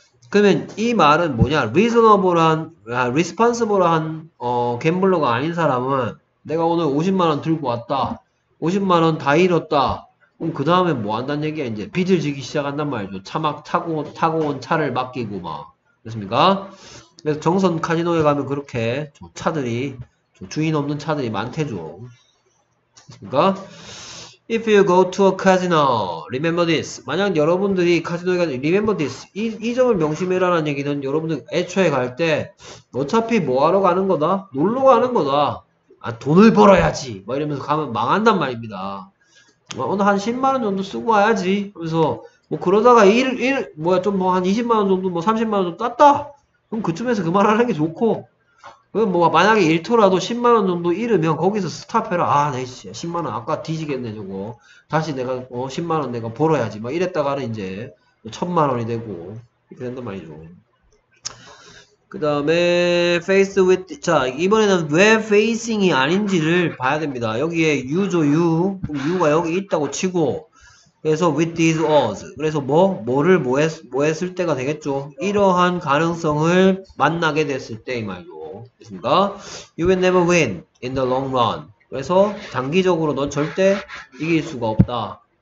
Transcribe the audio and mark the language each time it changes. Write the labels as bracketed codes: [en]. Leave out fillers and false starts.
[ko] 그러면 이 말은 뭐냐? reasonable한, responsible한 갬블러가 아닌 사람은 내가 오늘 50만원 들고 왔다. 50만원 다 잃었다. 그럼 그 다음에 뭐 한다는 얘기야? 이제 빚을 지기 시작한단 말이죠. 차고 온 차를 맡기고 막. 됐습니까? 그래서 정선 카지노에 가면 그렇게 차들이, 주인 없는 차들이 많대죠. 됐습니까? [en] If you go to a casino, remember this. [ko] 만약 여러분들이 카지노에 가서, [en] remember this. [ko] 이 점을 명심해라라는 얘기는 여러분들 애초에 갈 때, 어차피 뭐 하러 가는 거다? 놀러 가는 거다. 아, 돈을 벌어야지. 막 이러면서 가면 망한단 말입니다. 오늘 한 10만원 정도 쓰고 와야지. 하면서, 뭐 그러다가 한 20만원 정도, 뭐 30만원 정도 땄다? 그럼 그쯤에서 그만하는 게 좋고. 뭐 만약에 잃더라도 10만원 정도 잃으면 거기서 스탑해라. 아 내 씨 10만원 아까 뒤지겠네 저거 다시 내가 10만원 내가 벌어야지 막 이랬다가는 이제 1000만원이 되고 이렇게 된단 말이죠. 그 다음에 face with, 자 이번에는 왜 facing이 아닌지를 봐야 됩니다. 여기에 유죠. 유 유가 여기 있다고 치고 그래서 [en] with these odds [ko] 그래서 뭐 했을 때가 되겠죠. 이러한 가능성을 만나게 됐을 때 이 말이죠. 됐습니까? [en] You will never win in the long run. [ko] 그래서 장기적으로 넌 절대 이길 수가 없다.